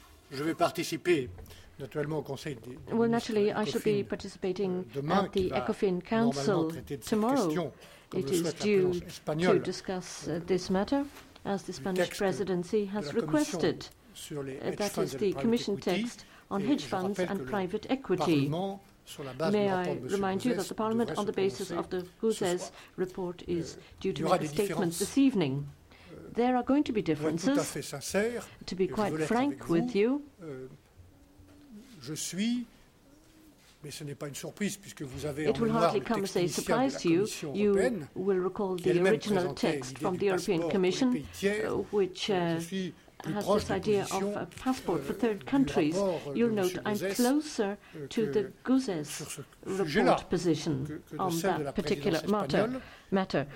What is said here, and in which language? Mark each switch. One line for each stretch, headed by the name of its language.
French: Je vais participer naturellement au Conseil des ministres.
English: Well, naturally, I shall be participating
French: demain,
English: at the ECOFIN Council tomorrow. It is due to discuss this matter, as the Spanish presidency has requested. That is the Commission text on hedge funds and private equity. May I remind you that the Parliament, on the basis of the Gauzès report, is due to make a statement this evening. There are going to be differences. To be quite frank with you,
French: je suis. Mais ce n'est pas une surprise puisque vous avez
English: it will hardly come as a surprise to you. You will recall the original text from the European Commission, which has this idea of a passport for third countries. You'll note I'm closer to the Gauzès report position on that particular matter.